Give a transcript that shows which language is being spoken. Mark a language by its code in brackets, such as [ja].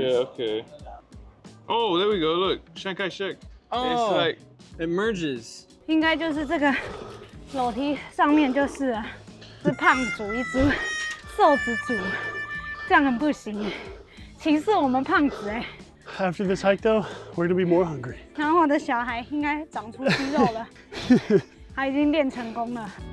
[en] Yeah, OK. Oh, there we go. Look, Chiang Kai-shek. Oh. It's like it merges. [zh] 应该就是这个楼梯上面就是是胖族一族，瘦子族，这样很不行，歧视我们胖子哎。 [en] After this hike, though, we're gonna be more hungry. [zh] 然后我的小孩应该长出肌肉了，他已经练成功了。